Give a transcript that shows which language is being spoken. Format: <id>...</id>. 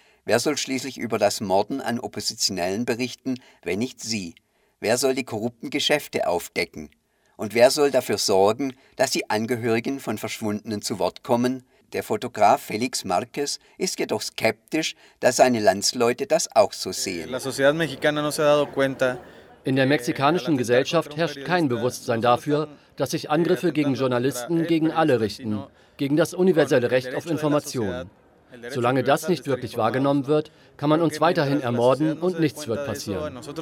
<de>Wer soll schließlich über das Morden an Oppositionellen berichten, wenn nicht Sie? Wer soll die korrupten Geschäfte aufdecken? Und wer soll dafür sorgen, dass die Angehörigen von Verschwundenen zu Wort kommen? Der Fotograf Felix Márquez ist jedoch skeptisch, dass seine Landsleute das auch so sehen.</de> <es>La sociedad mexicana no se ha dado cuenta.</es> <de>In der mexikanischen Gesellschaft herrscht kein Bewusstsein dafür, dass sich Angriffe gegen Journalisten gegen alle richten, gegen das universelle Recht auf Information. Solange das nicht wirklich wahrgenommen wird, kann man uns weiterhin ermorden und nichts wird passieren.</de>